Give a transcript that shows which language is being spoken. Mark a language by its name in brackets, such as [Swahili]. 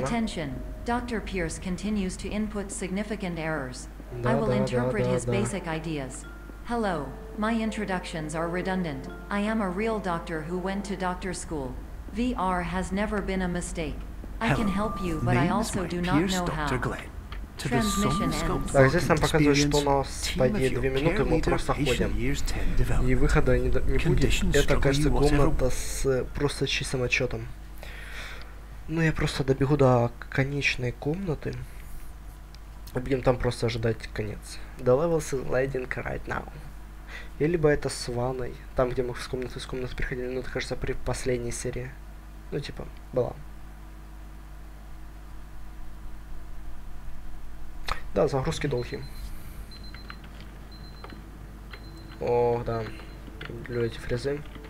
[English] Attention. Dr. Pierce continues to input significant errors. I will interpret his basic ideas. Hello, my introductions are redundant. I am a real doctor who went to doctor school. VR has never been a mistake. I can help you, but I also do not know how. Transmission ends. [Russian] Так, здесь нам показывают, что у нас пойдет 2 минуты, мы просто ходим. И выхода не будет. Это, кажется, комната с просто чистым отчетом. Ну, я просто добегу до конечной комнаты. Будем там просто ожидать конец. [English] The levels is lighting right now. [Russian] И либо это с ванной. Там, где мы с комнаты приходили, ну, это, кажется, при последней серии. Ну, типа, была. Да, загрузки долгие. О, да. Люблю эти фрезы.